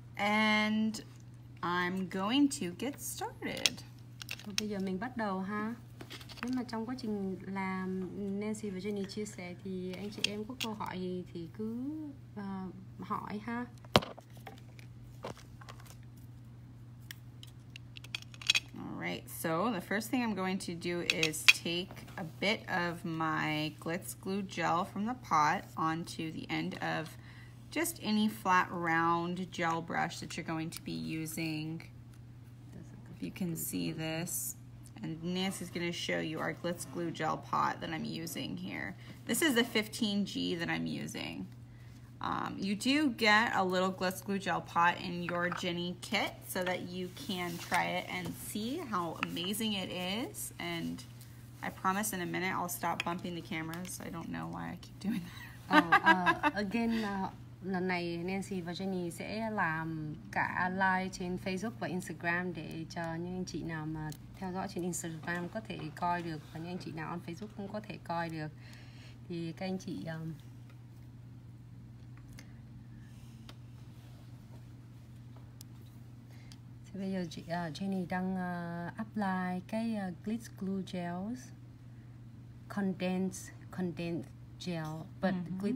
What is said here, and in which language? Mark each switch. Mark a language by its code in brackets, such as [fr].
[en] and I'm going to get started. [vi] Bây giờ mình bắt đầu ha. Nếu mà trong quá trình làm Nancy và Jenny chia sẻ thì anh chị em có câu hỏi gì thì cứ hỏi ha. [en] Right, so the first thing I'm going to do is take a bit of my Glitz Glue Gel from the pot onto the end of just any flat round gel brush that you're going to be using. If you can see this. And Nancy's going to show you our Glitz Glue Gel pot that I'm using here. This is the 15G that I'm using. You do get a little Glitz Glue Gel pot in your Jenny kit so that you can try it and see how amazing it is. And I promise in a minute I'll stop bumping the cameras. I don't know why I keep doing that. [vi] Again, lần này Nancy và Jenny sẽ làm cả live trên Facebook và Instagram để cho những anh chị nào mà theo dõi trên Instagram có thể coi được và những anh chị nào on Facebook cũng có thể coi được. Thì các anh chị bây giờ chị Jenny đang apply cái Glitz Glue Gels [en] condensed gel, but mm-hmm.